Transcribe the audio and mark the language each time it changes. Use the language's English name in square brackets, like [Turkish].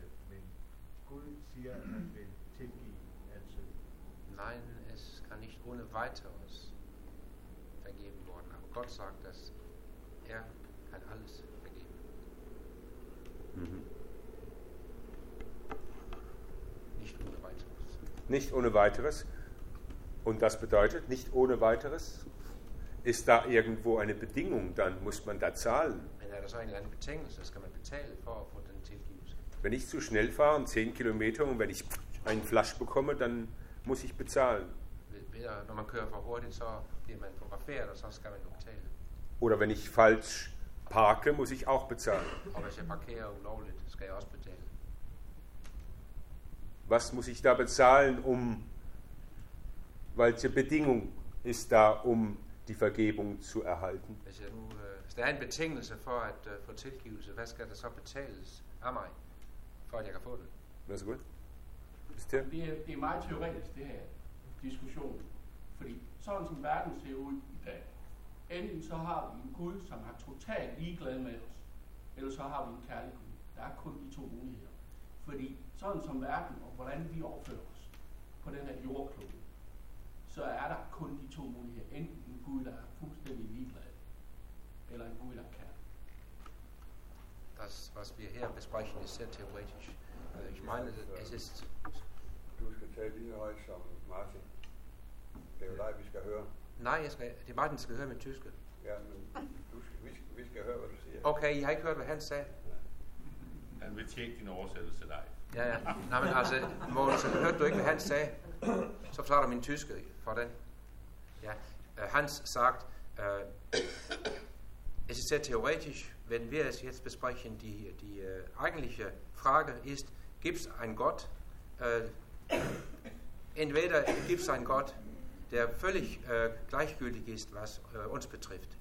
[Danish] Men Gud siger, at man vil tilgive altså. [German] Nej, es kann nicht ohne weiteres vergeben worden. Aber Gott sagt, dass er kann alles vergeben. Nicht ohne weiteres. Nicht ohne weiteres. Und das bedeutet, nicht ohne weiteres, ist da irgendwo eine Bedingung, dann muss man da zahlen. Wenn er das eigentlich eine Bedingung ist, das kann man bezahlen vor den Tilgibus. Wenn ich zu schnell fahre, 10 Kilometer, und wenn ich einen Flash bekomme, dann muss ich bezahlen. [Danish] Wenn man kører for hurtigt, så bliver man fotograferet, og så skal man betale. [German] Oder wenn ich falsch parke, muss ich auch bezahlen. [Danish] Og hvis jeg parkerer ulovligt, skal jeg også betale. [German] Was muss ich da bezahlen, um welche Bedingung ist da, um die Vergebung zu erhalten? [Danish] Hvis jeg nu, hvis der er en betingelse for at få tilgivelse, hvad skal der så betales af mig, for at jeg kan få den? Vær så god. Det er meget teoretisk, det her diskussion. Fordi sådan som verden ser ud i dag, enten så har vi en Gud, som er totalt ligeglad med os, eller så har vi en kærlig Gud. Der er kun de to muligheder. Fordi sådan som verden, og hvordan vi opfører os på den her jordklode, så er der kun de to muligheder. Enten en Gud, der er fuldstændig ligeglad, eller en Gud, der er kærlig. [German] Das, was wir hier besprechen, ist sehr theoretisch. Ich meine, es ist... [Danish] Du skal tale lige højt som Martin. Det er jo dig, vi skal høre. Nej, jeg skal, det er Martin, der skal høre min tyske. Ja, men vi skal høre, hvad du siger. Okay, I har ikke hørt, hvad han sagde. Ja. Han vil tjekke din oversættelse dig. Ja, ja. Nej, men altså, Måns, hørte du ikke, hvad han sagde, så forklarer du min tyske for den. [German] Ja, Hans sagt, es ist sehr theoretisch, wenn wir es jetzt besprechen, die eigentliche Frage ist, gibt es einen Gott? Entweder gibt es einen Gott, der völlig gleichgültig ist, was uns betrifft.